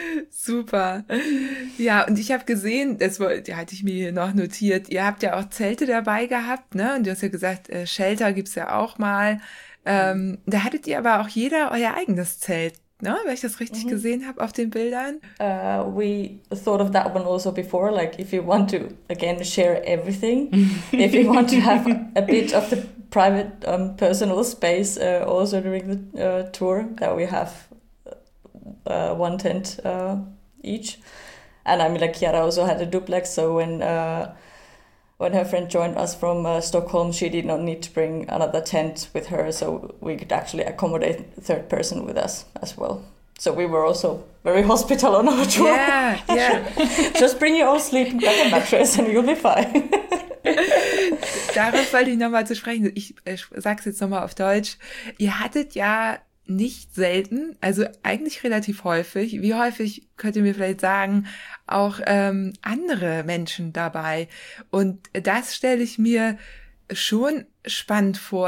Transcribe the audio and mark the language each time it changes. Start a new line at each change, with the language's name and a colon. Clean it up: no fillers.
German: Super. Ja, und ich habe gesehen, hatte ich mir hier noch notiert, ihr habt ja auch Zelte dabei gehabt, ne? Und du hast ja gesagt, Shelter gibt's ja auch mal. Da hattet ihr aber auch jeder euer eigenes Zelt, ne? Wenn ich das richtig gesehen habe auf den Bildern.
English: We thought of that one also before, like if you want to, again, share everything, if you want to have a bit of the private personal space also during the tour that we have. One tent each, and I mean, like Chiara also had a duplex, so when her friend joined us from Stockholm, she did not need to bring another tent with her, so we could actually accommodate a third person with us as well. So we were also very hospitable on our tour. Yeah. Just bring your own sleeping bag and mattress and you'll be fine.
German: Darauf wollte ich nochmal zu sprechen. Ich sag's jetzt nochmal auf Deutsch. Ihr hattet ja nicht selten, also eigentlich relativ häufig, wie häufig könnt ihr mir vielleicht sagen, auch andere Menschen dabei. Und das stelle ich mir schon spannend vor.